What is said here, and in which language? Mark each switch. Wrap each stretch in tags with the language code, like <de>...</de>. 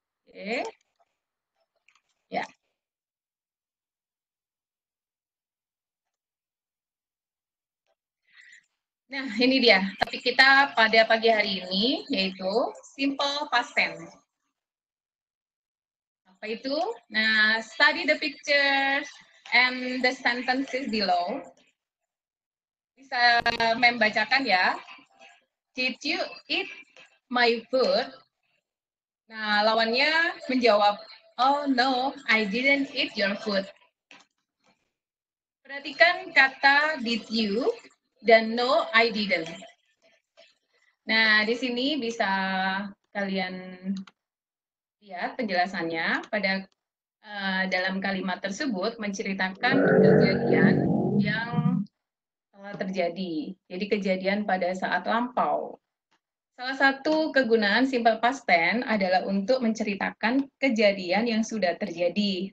<id>Oke. Ya. Nah, ini dia topik kita pada pagi hari ini, yaitu simple past tense. Apa itu?</id> <en>Nah, study the pictures and the sentences below.</en> <id>Bisa membacakan ya.</id> <en>Did you eat my food?</en> <id>Nah, lawannya menjawab,</id> <en>oh no, I didn't eat your food.</en> <id>Perhatikan kata</id> <en>did you</en> <id>dan</id> <en>no, I didn't.</en> <id>Nah, di sini bisa kalian lihat penjelasannya pada dalam kalimat tersebut menceritakan kejadian yang telah terjadi. Jadi kejadian pada saat lampau. Salah satu kegunaan simple past tense adalah untuk menceritakan kejadian yang sudah terjadi.</id>